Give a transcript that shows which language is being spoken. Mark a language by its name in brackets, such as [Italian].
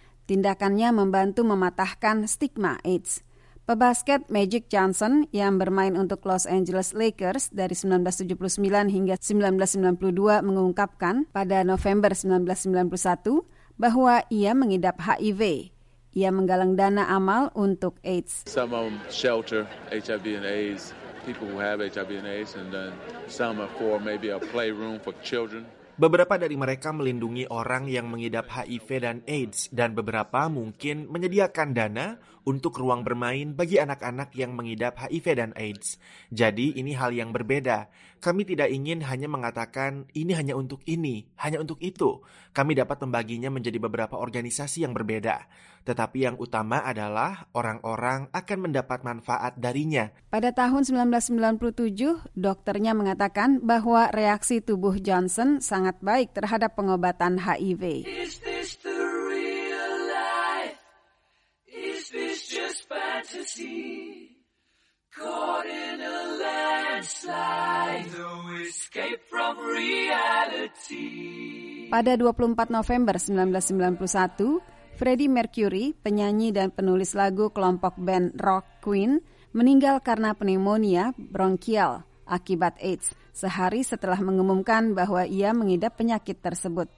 [Indonesian] Tindakannya membantu mematahkan stigma AIDS. Pebasket Magic Johnson yang bermain untuk Los Angeles Lakers dari 1979 hingga 1992 mengungkapkan pada November 1991 bahwa ia mengidap HIV. Ia menggalang dana amal untuk AIDS. [English] Some of them shelter HIV and AIDS, people who have HIV and AIDS, and then some are for maybe a playroom for children. [Indonesian] Beberapa dari mereka melindungi orang yang mengidap HIV dan AIDS, dan beberapa mungkin menyediakan dana untuk ruang bermain bagi anak-anak yang mengidap HIV dan AIDS. Jadi ini hal yang berbeda. Kami tidak ingin hanya mengatakan ini hanya untuk ini, hanya untuk itu. Kami dapat membaginya menjadi beberapa organisasi yang berbeda. Tetapi yang utama adalah orang-orang akan mendapat manfaat darinya. Pada tahun 1997, dokternya mengatakan bahwa reaksi tubuh Johnson sangat baik terhadap pengobatan HIV. [English] Caught in a landslide, no escape from reality. [Indonesian] Pada 24 November 1991, Freddie Mercury, penyanyi dan penulis lagu kelompok band Rock Queen, meninggal karena pneumonia bronkial akibat AIDS sehari setelah mengumumkan bahwa ia mengidap penyakit tersebut.